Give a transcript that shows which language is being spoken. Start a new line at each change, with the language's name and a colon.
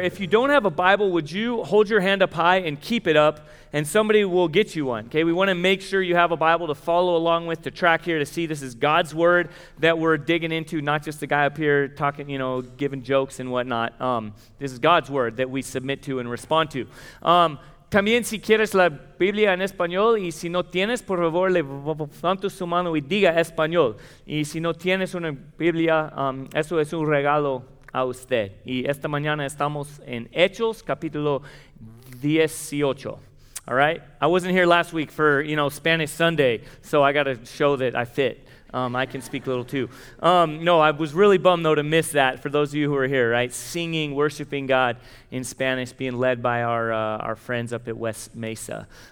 English: If you don't have a Bible, would you hold your hand up high and keep it up, and somebody will get you one, okay? We want to make sure you have a Bible to follow along with, to track here, to see this is God's Word that we're digging into, not just the guy up here talking, you know, giving jokes and whatnot. This is God's Word that we submit to and respond to.
Spanish: También si quieres la Biblia en español, y si no tienes, por favor, levanta su mano y diga español. Y si no tienes una Biblia, eso es un regalo a usted. Y esta mañana estamos en Hechos, capítulo 18.
English: All right? I wasn't here last week for, you know, Spanish Sunday, so I got to show that I fit. I can speak a little too. No, I was really bummed, though, to miss that for those of you who are here, right? Singing, worshiping God in Spanish, being led by our friends up at West Mesa.